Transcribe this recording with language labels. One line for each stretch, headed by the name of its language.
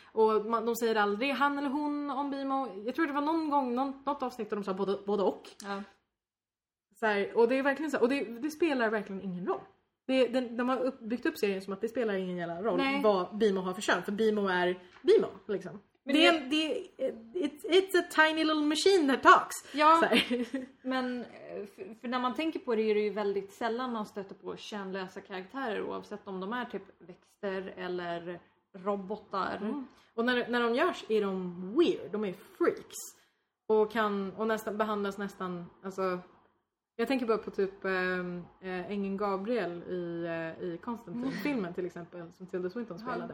Swedish: Och de säger aldrig han eller hon om BMO. Jag tror det var någon gång, något avsnitt, där de sa både och. Ja. Så här, och det är verkligen så här, och det spelar verkligen ingen roll. De har byggt upp serien som att det spelar ingen jävla roll. Nej. Vad BMO har för kön, för BMO är BMO, liksom. Men
English: it's a tiny little machine that talks.
Swedish: Ja, men för när man tänker på det är det ju väldigt sällan man stöter på könlösa karaktärer oavsett om de är typ växter eller robotar. Mm. Och när de görs är de weird, de är freaks. Och kan och nästan behandlas nästan, alltså jag tänker bara på typ Ängeln Gabriel i Constantine-filmen till exempel, som Tilda Swinton spelade.